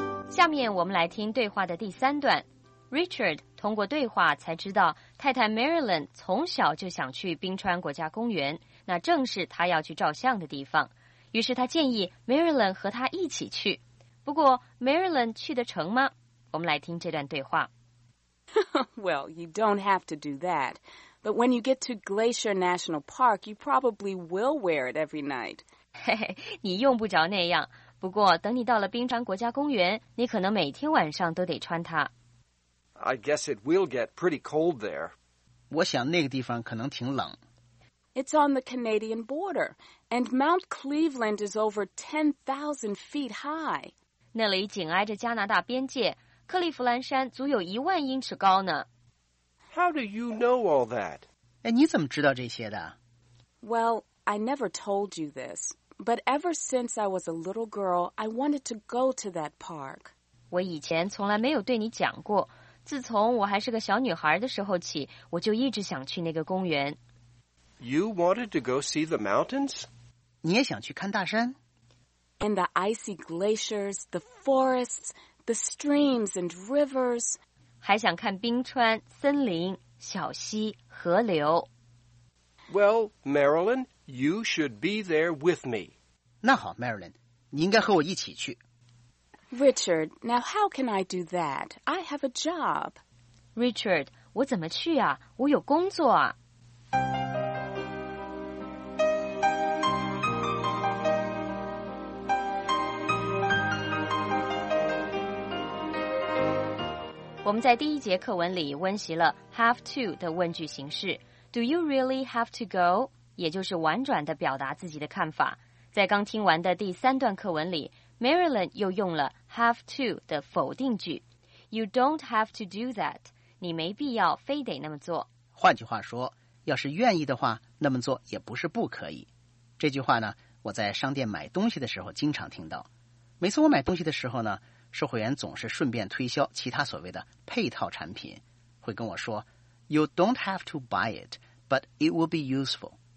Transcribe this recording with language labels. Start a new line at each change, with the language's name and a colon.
Chinese: 下面我们来听对话的第三段。Richard 通过对话才知道太太 Marilyn 从小就想去冰川国家公园，那正是他要去照相的地方，于是他建议 Marilyn 和他一起去。不过 Marilyn 去得成吗？我们来听这段对话。
English: Well, you don't have to do that. But when you get to Glacier National Park, you probably will wear it every night.
Chinese: 你用不着那样，不过等你到了冰川国家公园，你可能每天晚上都得穿它。
English: I guess it will get pretty cold there.
Chinese: 我想那个地方可能挺冷。
English: It's on the Canadian border, and Mount Cleveland is over 10,000 feet high.
Chinese: 那里紧挨着加拿大边界，克利夫兰山足有10,000英尺高呢。
English: How do you know all that?
Chinese: 哎，你怎么知道这些的？
English: Well, I never told you this. But ever since I was a little girl, I wanted to go to that park.
Chinese: 我以前从来没有对你讲过，自从我还是个小女孩的时候起，我就一直想去那个公园。
English: You wanted to go see the mountains?
Chinese: 你也想去看大山？
English: And the icy glaciers, the forests, the streams and rivers.
Chinese: 还想看冰川、森林、小溪、河流。
English: Well, Marilyn... You should be there with me.
Chinese: 那好 ,Marilyn, 你应该和我一起去。
English: Richard, now how can I do that? I have a job.
Chinese: Richard, 我怎么去啊？我有工作啊。我们在第一节课文里温习了 have to 的问句形式。
English: Do you really have to go?
Chinese: 也就是婉转地表达自己的看法。在刚听完的第三段课文里， Marilyn 又用了 have to 的否定句。
English: You don't have to do that，
Chinese: 你没必要非得那么做。换句话说，要是愿意的话，那么做也不是不可以。这句话呢，我在商店买东西的时候经常听到。每次我买东西的时候呢，售货员总是顺便推销其他所谓的配套产品，会跟我说
English: You don't have to buy it， but it will be useful。